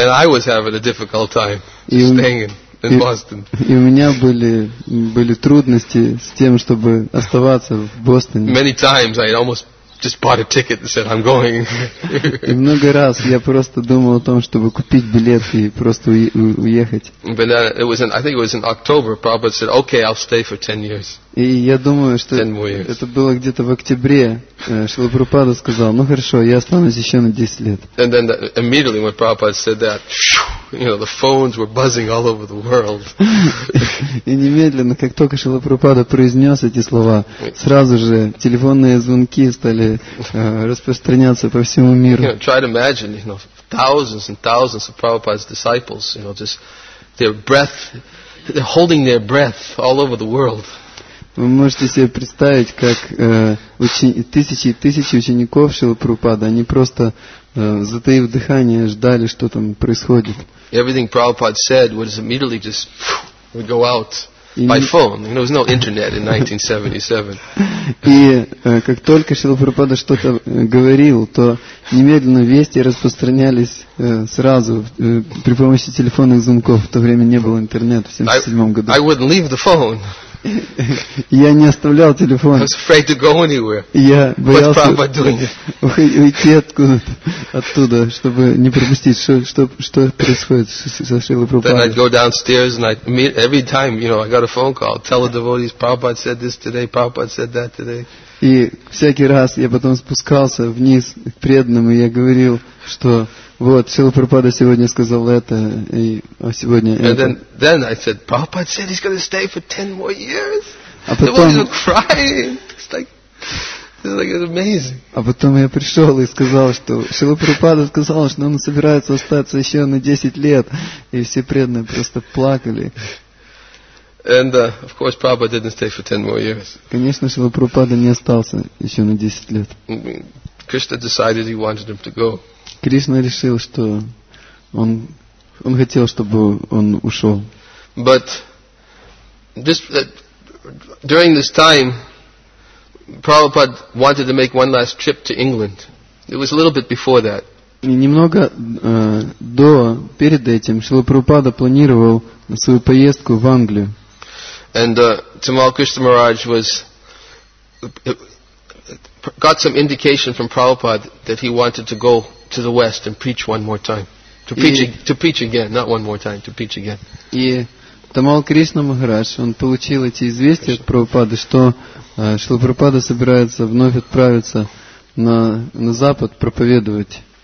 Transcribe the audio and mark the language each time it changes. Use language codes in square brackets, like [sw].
[en] And I was having a difficult time staying in Boston. [ru] И у меня были трудности с тем, чтобы оставаться в Бостоне. [en] Many times I almost just bought a ticket and said, I'm going. [ru] И много раз я просто думал о том, чтобы купить билет и просто уехать. [en] But then I think it was in October, Prabhupada said, okay, I'll stay for 10 years. [ru] И я думаю, что это было где-то в октябре. Шрила Прабхупада сказал, ну хорошо, я останусь еще на 10 лет. [en] And then immediately when Prabhupada said that, you know, the phones were buzzing all over the world. [ru] И немедленно, как только Шрила Прабхупада произнес эти слова, сразу же телефонные звонки стали распространяться по всему миру. [en] You know, try to imagine, you know, thousands and thousands of Prabhupada's disciples, you know, just their breath, they're holding their breath all over the world. [ru] Вы можете себе представить, как тысячи и тысячи учеников Шрилы Прабхупады, они просто, затаив дыхание, ждали, что там происходит. [en] Everything Prabhupada said was immediately just, would go out by phone. There was no internet in 1977. [ru] И как только Шрила Прабхупада что-то говорил, то немедленно вести распространялись сразу при помощи телефонных звонков. В то время не было интернета в 1977 году. [en] I wouldn't leave the phone. [ru] Я не оставлял телефон. [en] I was afraid to go anywhere. [ru] Я боялся уйти оттуда, чтобы не пропустить, что происходит со Шрилой Прабхупадой. [en] Then I'd go downstairs and every time, you know, I got a phone call. Tell the devotees, Prabhupada said this today, Prabhupada said that today. [ru] И всякий раз я потом спускался вниз к преданным, и я говорил, что вот, Шрила Прабхупада сегодня сказал это, и сегодня это. [en] And then I said, Prabhupada said he's going to stay for 10 more years. [ru] А потом, [en] they were crying. It's like it's amazing. [ru] А потом я пришел и сказал, что Шрила Прабхупада сказал, что он собирается остаться еще на 10 лет. И все преданные просто плакали. [en] And of course, Prabhupada didn't stay for 10 more years. [ru] Конечно, Шрила Прабхупада не остался еще на 10 лет. [en] Krishna decided he wanted him to go. [ru] Кришна решил, что он хотел, чтобы он ушел. [en] But this, during this time, Prabhupada wanted to make one last trip to England. It was a little bit before that. [ru] Немного до, перед этим, Шрила Прабхупада планировал свою поездку в Англию. [en] And Tamal Krishna Maharaj was got some indication from Prabhupada that he wanted to go to the West and preach one more time. To preach again. [ru] И Tamal Krishna Maharaj, он получил эти известия от Прабхупады, что Шрила Прабхупада собирается вновь отправиться на Запад проповедовать.